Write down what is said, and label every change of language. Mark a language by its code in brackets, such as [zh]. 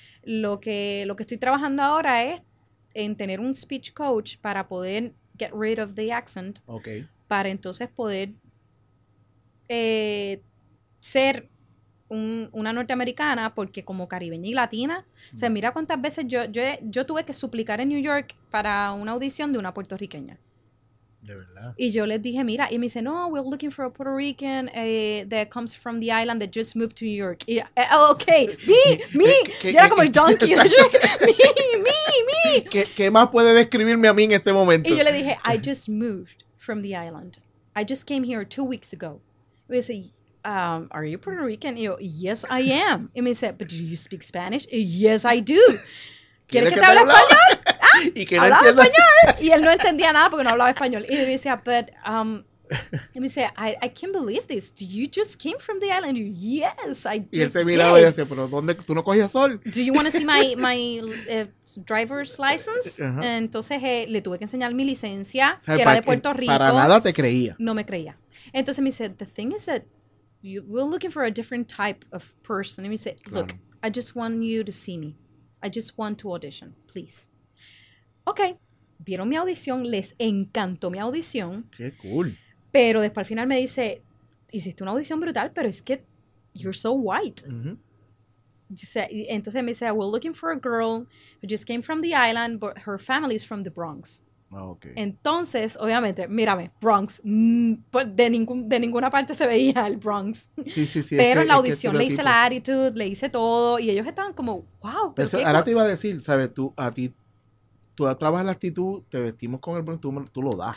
[es] Lo que estoy trabajando ahora es en tener un speech coach para poder [en] get rid of the accent. Okay. [es] para entonces poder ser una norteamericana, porque como caribeña y latina, o sea, mira cuántas veces yo tuve que suplicar en New York para una audición de una puertorriqueña. De verdad. Y yo les dije, mira, y me dice, no, [en] we're looking for a Puerto Rican that comes from the island that just moved to New York. [es] Y, okay, me. Yo era como el donkey. me. ¿Qué más puede describirme a mí en este momento? Y yo le dije, [en] I just moved from the island. I just came here 2 weeks ago. [es] Y me dice, [en] are you Puerto Rican? [es] Y yo, [en] yes, I am. [es] Y me dice, [en] but do you speak Spanish? [es] Y, [en] yes, I do. [es] ¿Quieres que te hable español? Y que no hablaba español, y él no entendía nada porque no hablaba español. Y me decía, but y me decía, [en] I can't believe this. You just came from the island. You, yes, I did. [es] Y él se miraba y decía, pero ¿dónde? ¿Tú no cogías sol? [en] Do you want to see my driver's license? Uh-huh. [es] Entonces le tuve que enseñar mi licencia, que era de Puerto Rico. Para nada te creía. No me creía. Entonces me dice, [en] the thing is that we're looking for a different type of person. [es] Y me dice, [en] look, claro. I just want you to see me. I just want to audition, please. [es] Ok, vieron mi audición, les encantó mi audición. ¡Qué cool! Pero después al final me dice, hiciste una audición brutal, pero es que [en] you're so white. Uh-huh. [es] Entonces me dice, [en] we're looking for a girl who just came from the island, but her family is from the Bronx. Ah, ok. [es] Entonces, obviamente, mírame, Bronx, de ninguna parte se veía el Bronx. Sí, sí, sí. Pero en la audición le hice la actitud, le hice todo, y ellos estaban como, wow. Pero eso, ahora te iba a decir, sabes, tú, a ti, tú trabajas la actitud, te vestimos con el Bronx, tú lo das.